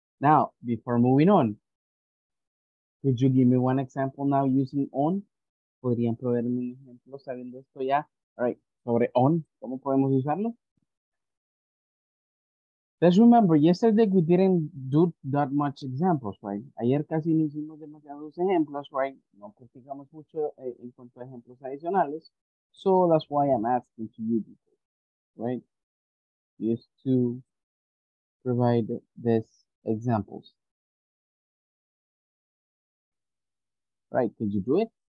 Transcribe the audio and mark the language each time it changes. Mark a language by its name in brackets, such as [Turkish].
[English] Now, before moving on, could you give me one example now using on? [Spanish] ¿Podrían proveerme un ejemplo sabiendo esto ya? [English] All right. [Spanish] Sobre on, ¿cómo podemos usarlo? [English] Let's remember, yesterday we didn't do that much examples, right? [Spanish] Ayer casi no hicimos demasiados ejemplos, right? No practicamos mucho en cuanto a ejemplos adicionales. [English] So that's why I'm asking to you, right? Just to provide these examples. Right, could you do it?